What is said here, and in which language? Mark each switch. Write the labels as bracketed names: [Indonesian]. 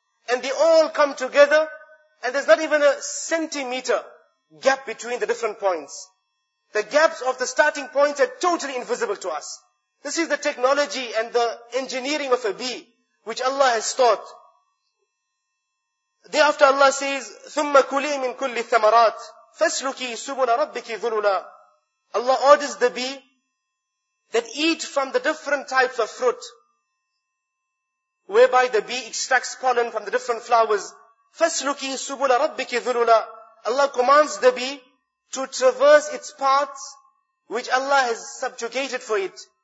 [English] And they all come together and there's not even a centimeter gap between the different points. The gaps of the starting points are totally invisible to us. This is the technology and the engineering of a bee, which Allah has taught. Thereafter Allah says, [Arabic] ثُمَّ كُلِي مِن كُلِّ الثَّمَرَاتِ فَاسْلُكِي سُبُلَ رَبِّكِ ذُلُلًا. [English] Allah orders the bee that eat from the different types of fruit, whereby the bee extracts pollen from the different flowers. [Arabic] فَاسْلُكِي سُبُلَ رَبِّكِ ذُلُلًا. [English] Allah commands the bee to traverse its paths, which Allah has subjugated for it.